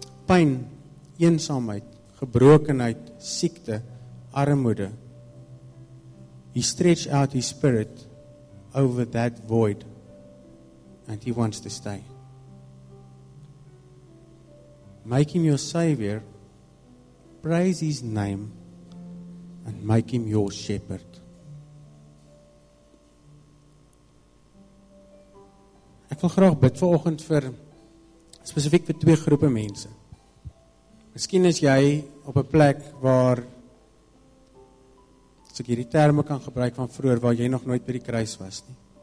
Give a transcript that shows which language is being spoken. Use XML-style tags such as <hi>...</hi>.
<af>Pyn, eensaamheid, gebrokenheid, siekte, armoede.</af> <en>He stretched out his spirit over that void and he wants to stay. Make him your savior, praise his name and make him your shepherd.</en> <af>Ek wil graag bid vanoggend vir spesifiek vir twee groepe mense. Miskien is jy op 'n plek waar as ek hierdie terme kan gebruik van vroeër, waar jy nog nooit by die kruis was nie.</af>